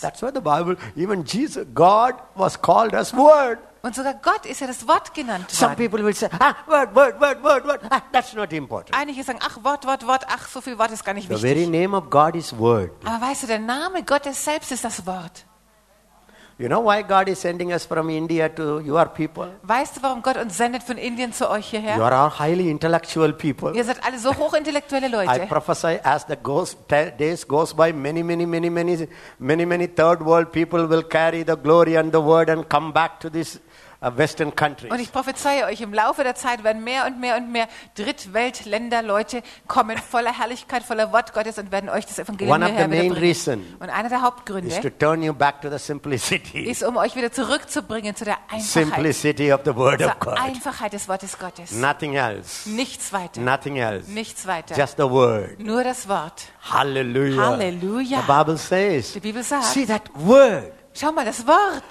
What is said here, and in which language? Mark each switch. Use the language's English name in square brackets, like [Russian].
[English] That's why the Bible, even Jesus, God was called as Word. [German] Und sogar Gott ist ja das Wort genannt worden. [English] Some people will say, Word. That's not important. [German] Einige sagen, ach Wort. Ach, so viel Wort ist gar nicht [English] the [German] wichtig. [English] The very name of God is Word. [German] Aber weißt du, der Name Gottes selbst ist das Wort. [English] You know why God is sending us from India to your people? [German] Weißt du, warum Gott uns sendet von Indien zu euch hierher? [English] You are all highly intellectual people. [German] Ihr seid alle so hochintellektuelle Leute. [English] I prophesy as the days goes by, many third world people will carry the glory and the word and come back to this Western countries. [German] Und ich prophezeie euch, im Laufe der Zeit werden mehr und mehr Drittweltländer-Leute kommen, voller Herrlichkeit, voller Wort Gottes und werden euch das Evangelium [English] One of the main reason [German] und einer der Hauptgründe [English] is to turn you back to the simplicity. [German] Ist, um euch wieder zurückzubringen zu der Einfachheit, [English] simplicity of the word of God. [German] Einfachheit des Wortes Gottes. [English] Nothing else. [German] Nichts weiter. [English] Nothing else. [German] Nichts weiter. [English] Just the word. [German] Nur das Wort. [English] Halleluja. [German] Halleluja. [English] The Bible says, [German] die Bibel sagt, [English] see that word. [German] Schau mal, das Wort.